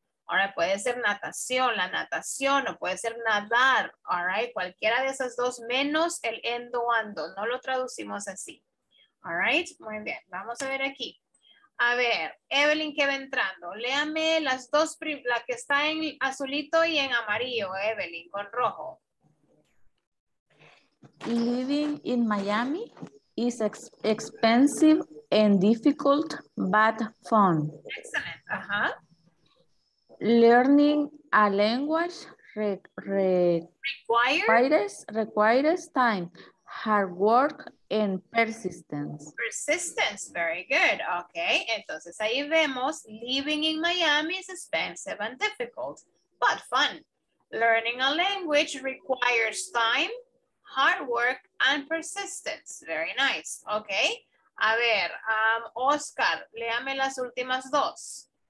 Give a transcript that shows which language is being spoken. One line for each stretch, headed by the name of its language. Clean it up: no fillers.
Spanish: Ahora puede ser natación, la natación, o puede ser nadar, all right, cualquiera de esas dos, menos el endoando, no lo traducimos así, all right, muy bien, vamos a ver aquí, a ver, Evelyn que va entrando, léame las dos, la que está en azulito y en amarillo, Evelyn, con rojo.
English: Living in Miami is expensive and difficult, but fun. Excellent, ajá. Learning a language requires time, hard work, and persistence. Persistence, very good. Okay,
Spanish: entonces ahí vemos,
English: living in Miami is expensive and difficult, but fun. Learning a language requires time, hard work, and persistence. Very nice.
Spanish: Okay, a ver, Oscar, léame las últimas dos.